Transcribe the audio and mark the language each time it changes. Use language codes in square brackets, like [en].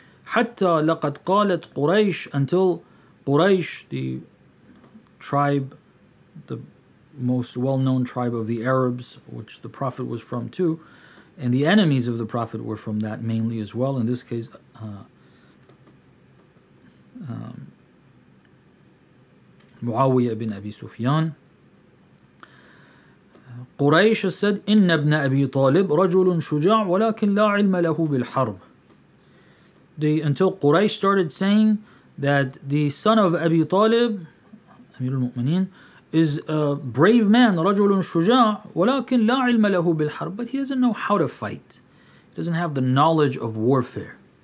[ar] حَتَّى لَقَدْ قَالَتْ قُرَيْشِ, [en] until Quraysh, the tribe, the most well-known tribe of the Arabs, which the Prophet was from too, and the enemies of the Prophet were from that mainly as well. In this case, Muawiyah ibn Abi Sufyan. Quraysh said, [ar] إِنَّ ابْنَ أَبِي طَالِبْ رَجُلٌ شُجَاعٌ وَلَكِنْ لَا عِلْمَ لَهُ بِالْحَرْبِ. [en] Until Quraysh started saying that the son of Abi Talib, Amir al-Mu'mineen, is a brave man, [ar] رَجُلٌ شُجَاعٌ وَلَكِنْ لَا عِلْمَ لَهُ بِالْحَرْبِ. [en] But he doesn't know how to fight. He doesn't have the knowledge of warfare.